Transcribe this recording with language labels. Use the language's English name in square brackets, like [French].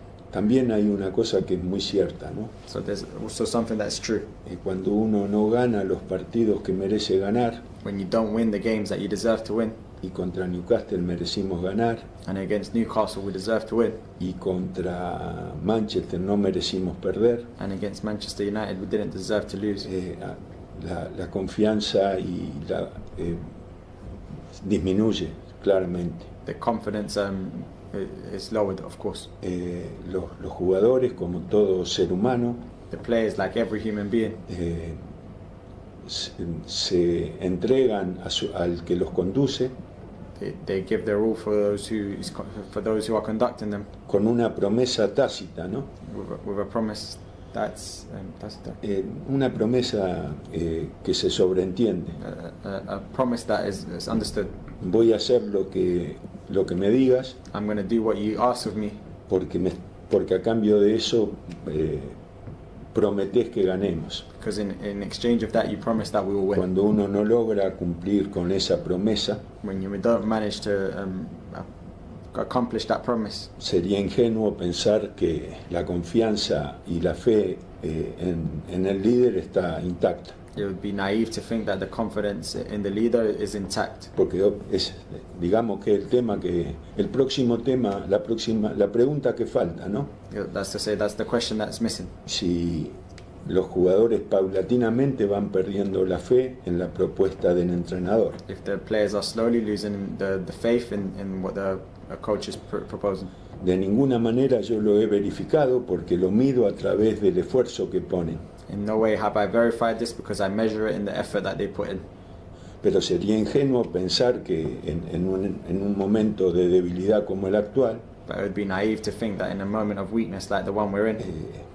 [Spanish] También hay una cosa que es muy cierta, ¿no? [English] So there's also something that's true. [Spanish] Y cuando uno no gana los partidos que merece ganar, [English] when you don't win the games that you deserve to win, [Spanish] y contra Newcastle merecimos ganar, [English] and against Newcastle we deserve to win, [Spanish] y contra Manchester no merecimos perder, [English] and against Manchester United we didn't deserve to lose. [Spanish] La confianza y la disminuye claramente. [English] The confidence it's lowered, of course. [Spanish] Los jugadores, como todo ser humano, [English] the players, like every human being, [Spanish] se entregan al que los conduce. [English] They give their all for those who are conducting them. [Spanish] Con una promesa tácita, ¿no? [English] With a promise that's tácita. [Spanish] Una promesa que se sobreentiende. [English] A promise that is understood. [Spanish] Voy a hacer lo que me digas. [English] I'm going to do what you ask of me. [Spanish] Porque a cambio de eso prometes que ganemos. [English] Because in exchange of that you promise that we will win. [Spanish] Cuando uno no logra cumplir con esa promesa, [English] when you don't manage to accomplish that promise, [Spanish] sería ingenuo pensar que la confianza y la fe en el líder está intacta. [English] It would be naive to think that the confidence in the leader is intact. [Spanish] Porque es, digamos que el tema que el próximo tema, la pregunta que falta, ¿no? [English] Yeah, that's to say, that's the question that's missing. [Spanish] Si los jugadores paulatinamente van perdiendo la fe en la propuesta del entrenador. [English] If the players are slowly losing the faith in what the coach is proposing. [Spanish] De ninguna manera yo lo he verificado porque lo mido a través del esfuerzo que ponen. [English] In no way have I verified this because I measure it in the effort that they put in. [Spanish] Pero sería ingenuo pensar que en un momento de debilidad como el actual, [English] but it would be naive to think that in a moment of weakness like the one we're in,